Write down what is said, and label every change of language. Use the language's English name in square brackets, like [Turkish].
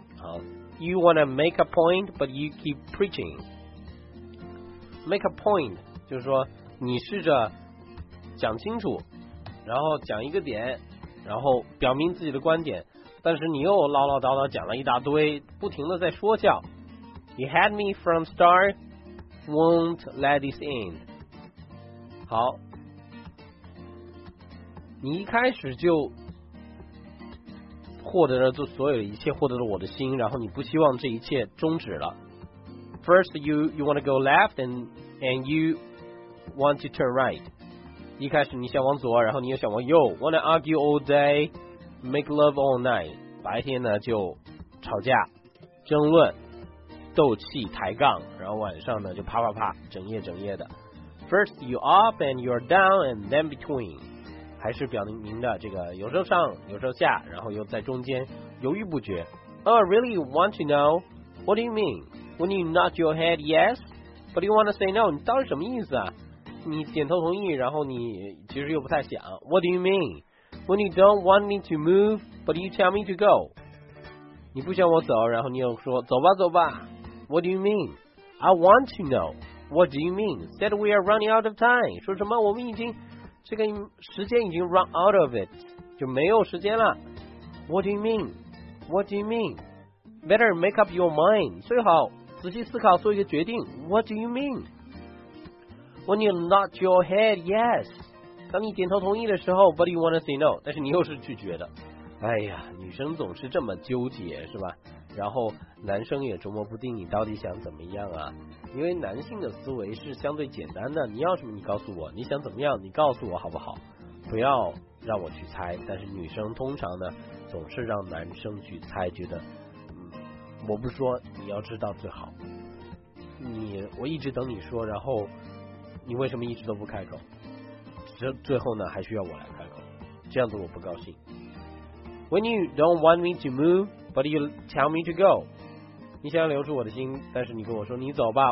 [English] 好， You wanna make a point but you keep preaching. Make a point [Chinese] 就是说你试着讲清楚，然后讲一个点，然后表明自己的观点，但是你又唠唠叨叨讲了一大堆，不停的在说教。 [English] You had me from start, won't let this end. [Chinese] 好，你一开始就获得了所有的一切，获得了我的心，然后你不希望这一切终止了。 [English] First you want to go left and you want to turn right. [Chinese] 一开始你想往左，然后你又想往右。 [English] Want to argue all day, make love all night. [Chinese] 白天呢就吵架、争论、斗气、抬杠，然后晚上呢就啪啪啪，整夜整夜的。 [English] First you up and you're down and then between， [Chinese] 还是表明的这个有时候上有时候下，然后又在中间犹豫不决。 [English] Oh, really want to know? What do you mean? When you nod your head yes, but you want to say no， [Chinese] 你到底什么意思啊？你点头同意，然后你其实又不太想。 [English] What do you mean? When you don't want me to move, but you tell me to go， [Chinese] 你不想我走，然后你又说走吧走吧。 [English] What do you mean? I want to know. What do you mean? Said we are running out of time. [Chinese] 说什么我们已经这个时间已经 [English] run out of it， [Chinese] 就没有时间了。 [English] What do you mean? What do you mean? Better make up your mind. [Chinese] 最好仔细思考做一个决定。 [English] What do you mean? When you nod your head yes， [Chinese] 当你点头同意的时候 ， [English] but you want to say no， [Chinese] 但是你又是拒绝的。哎呀，女生总是这么纠结，是吧？然后男生也琢磨不定你到底想怎么样啊，因为男性的思维是相对简单的，你要什么你告诉我，你想怎么样你告诉我好不好，不要让我去猜。但是女生通常呢总是让男生去猜，觉得我不说你要知道最好，我一直等你说，然后你为什么一直都不开口，最后呢还需要我来开口，这样子我不高兴。 [English] When you don't want me to moveBut you tell me to go. [Chinese] 你想留住我的心，但是你跟我说你走吧。